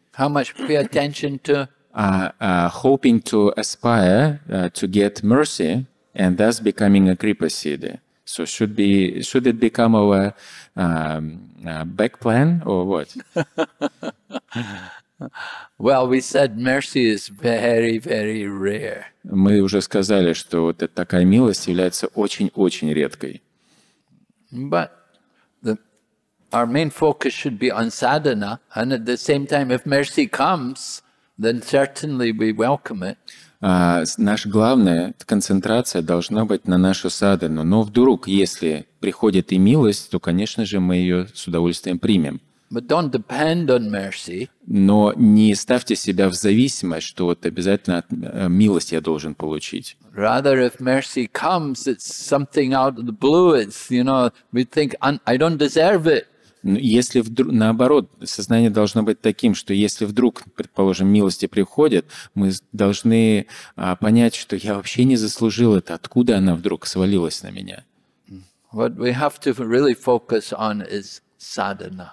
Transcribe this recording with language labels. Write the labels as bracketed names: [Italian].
[English] How much pay attention to? Hoping to aspire to get mercy and thus becoming a kripa siddhi. So should it become our back plan or what? Well, we said mercy is very, very rare. [Russian] Мы уже сказали, что вот эта такая милость является очень-очень редкой. [English] But our main focus should be on sadhana, and at the same time, if mercy comes, then certainly we welcome it. [Russian] Наша главная концентрация должна быть на нашу садхану. Но вдруг, если приходит и милость, то, конечно же, мы ее с удовольствием примем. [English] But don't depend on mercy. [Russian] Но не ставьте себя в зависимость, что вот обязательно милость я должен получить. [English] Rather, if mercy comes, it's something out of the blue. It's, you know, we think I don't deserve it. [Russian] Если вдруг, наоборот, сознание должно быть таким, что если вдруг, предположим, милости приходят, мы должны понять, что я вообще не заслужил это. Откуда она вдруг свалилась на меня? [English] What we have to really focus on is садхана.